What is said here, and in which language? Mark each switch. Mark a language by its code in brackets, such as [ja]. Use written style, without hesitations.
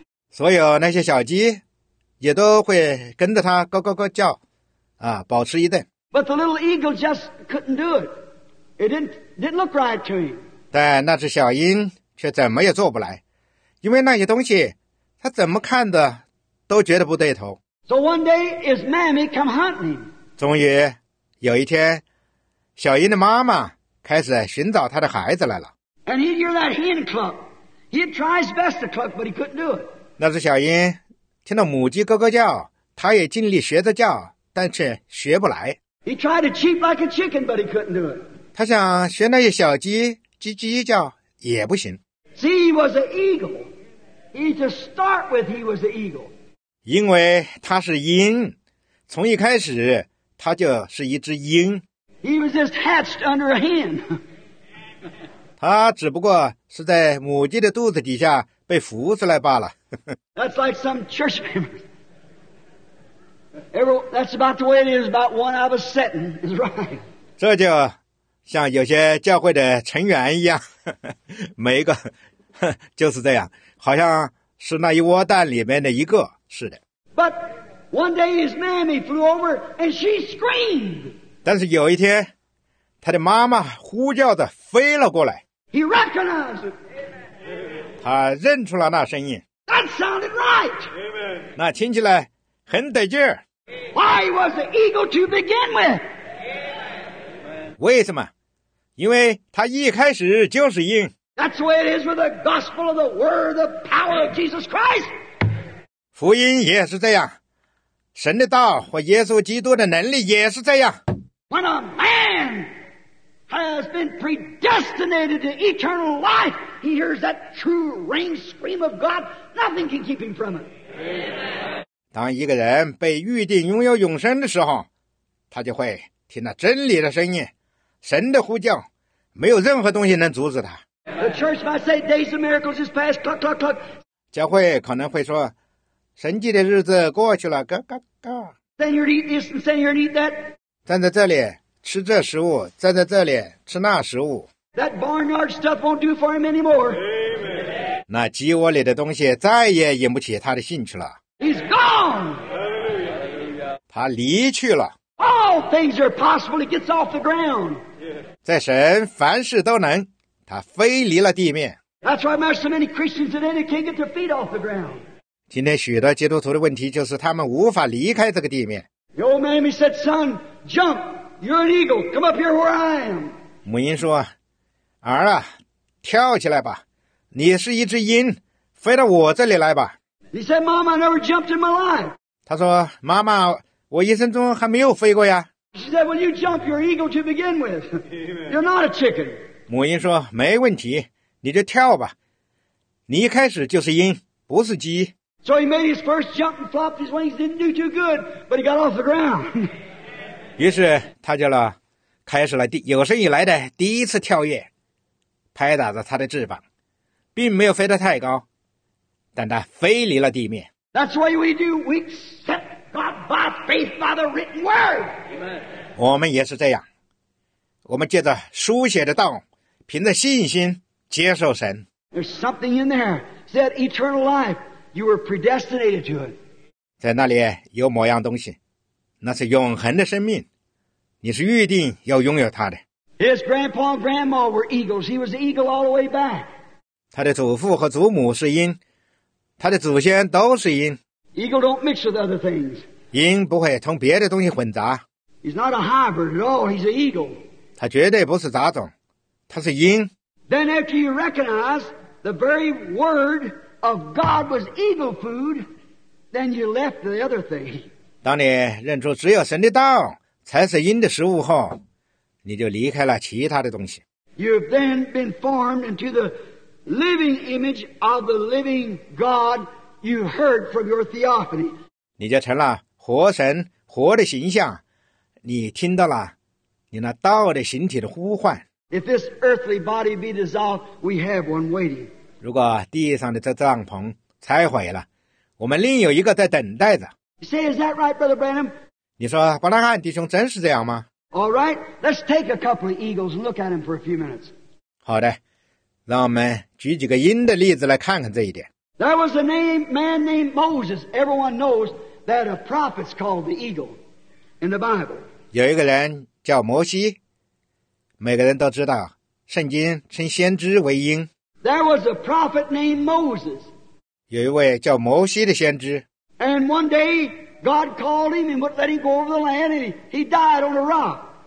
[zh] 所有那些小鸡也都会跟着它咯咯咯叫啊，保持一顿。 [en] But the little eagle just couldn't do it. It didn't look right to him. [zh] 但那只小鹰却怎么也做不来，因为那些东西它怎么看的都觉得不对头。 [en] So one day his mammy come hunting. [zh] 终于有一天小鹰的妈妈开始寻找她的孩子来了。 [en] And he'd hear that hen cluck. He'd try his best to cluck, but he couldn't do it. [zh] 那只小鹰听到母鸡咯咯叫，他也尽力学着叫，但却学不来。 [en] He tried to cheep like a chicken, but he couldn't do it. [zh] 他想学那些小鸡叽叽叫也不行。 [en] See, he was an eagle. He to start with, he was an eagle. [zh] 因为他是鹰，从一开始他就是一只鹰。 [en] He was just hatched under a hen. [zh] 他只不过是在母鸡的肚子底下被孵出来罢了。 [en] That's like some church members. That's about the way it is. About one out of a seven is right. [zh] 这就像有些教会的成员一样，每一个就是这样，好像是那一窝蛋里面的一个似的。 [en] But one day his mammy flew over and she screamed. [zh] 但是有一天，他的妈妈呼叫着飞了过来。 [en] He recognized it. [zh] 他认出了那声音。 [en] That sounded right. [zh] 那听起来很得劲儿。 [en] Why was the eagle to begin with? [zh] 为什么？因为他一开始就是鹰。 [en] That's the way it is with the gospel of the word, the power of Jesus Christ. [zh] 福音也是这样，神的道和耶稣基督的能力也是这样。 [en] When a man has been predestinated to eternal life, he hears that true ring scream of God. Nothing can keep him from it. [zh] 当一个人被预定拥有永生的时候，他就会听那真理的声音。神的呼叫，没有任何东西能阻止他。 [en] The church might say, days of miracles is past, clock, clock, clock. [zh] 教会可能会说，神迹的日子过去了，嘎嘎嘎。 [en] Stand here and eat this, and stand here and eat that. [zh] 站在这里吃这食物，站在这里吃那食物。 [en] That barnyard stuff won't do for him anymore. Amen. [zh] 那鸡窝里的东西再也引不起他的兴趣了。 [en] He's gone. [zh] 他离去了。 [en] All things are possible. It gets off the ground. [zh] 在神凡事都能，他飞离了地面。 [en] That's why there are so many Christians today that can't get their feet off the ground. [zh] 今天许多基督徒的问题就是他们无法离开这个地面。 [en] The old mammy said, "Son, jump. You're an eagle. Come up here where I am." [zh] 母鹰说：“儿啊，跳起来吧，你是一只鹰，飞到我这里来吧。” [en] He said, "Mama, I never jumped in my life." [zh] 他说：“妈妈。” 我一生中还没有飞过呀。 [en] She said, "Well, you jump your eagle to begin with. You're not a chicken." [zh] 母鹰说：“没问题，你就跳吧。你一开始就是鹰，不是鸡。” [en] So he made his first jump and flopped his wings. Didn't do too good, but he got off the ground. [zh] 于是他就了，开始了有生以来的第一次跳跃，拍打着他的翅膀，并没有飞得太高，但他飞离了地面。 [en] That's why we do weeks. God by faith by the written word. Amen. [zh] 我们也是这样，我们借着书写的道，凭着信心接受神。 [en] There's something in there said eternal life. You were predestinated to it. [zh] 在那里有某样东西，那是永恒的生命，你是预定要拥有它的。 [en] His grandpa and grandma were eagles. He was an eagle all the way back. [zh] 他的祖父和祖母是鹰，他的祖先都是鹰。 [en] Eagle don't mix with other things. [zh] 鹰不会同别的东西混杂。 [en] He's not a hybrid at all. He's an eagle. [zh] 他绝对不是杂种，他是鹰。 [en] Then after you recognize the very word of God was eagle food, then you left the other thing. [zh] 当你认出只有神的道才是鹰的食物后，你就离开了其他的东西。 [en] You've then been formed into the living image of the living God. You heard from your theophany. [zh] 你就成了活神活的形象，你听到了你那道的形体的呼唤。 [en] If this earthly body be dissolved, we have one waiting. [zh] 如果地上的这帐篷拆毁了，我们另有一个在等待着。 [en] Say, is that right, Brother Branham? [zh] 你说伯拉罕弟兄真是这样吗 [en] ？All right, let's take a couple of eagles and look at them for a few minutes. [zh] 好的，让我们举几个鹰的例子来看看这一点。 [en] There was a name, man named Moses. Everyone knows that a prophet's called the eagle in the Bible. [zh] 有一个人叫摩西，每个人都知道，圣经称先知为鹰。 [en] There was a prophet named Moses. [zh] 有一位叫摩西的先知。 [en] And one day, God called him and would let him go over the land, and he died on a rock.